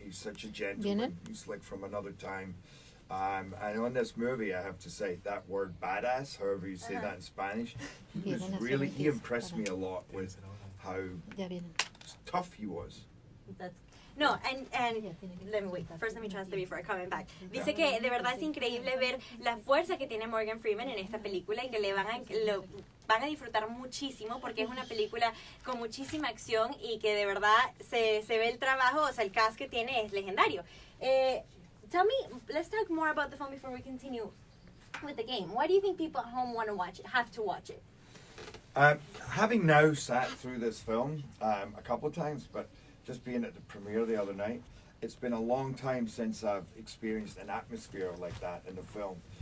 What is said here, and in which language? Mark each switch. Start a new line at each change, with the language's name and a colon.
English: He's such a gentleman. He's like from another time. And on this movie, I have to say, that word badass, however you say that in Spanish, he impressed me a lot with how tough he was. First let me translate before I come back.
Spanish: Dice que de verdad es increíble ver la fuerza que tiene Morgan Freeman en esta película y que lo van a disfrutar muchísimo porque es una película con muchísima acción y que de verdad se ve el trabajo, o sea, el cast que tiene es legendario.
English: Tell me, let's talk more about the film before we continue with the game. Why do you think people at home want to watch it, have to watch it? Having now sat through this film a couple of times, but just being at the premiere the other night, it's been a long time since I've experienced an atmosphere like that in the film.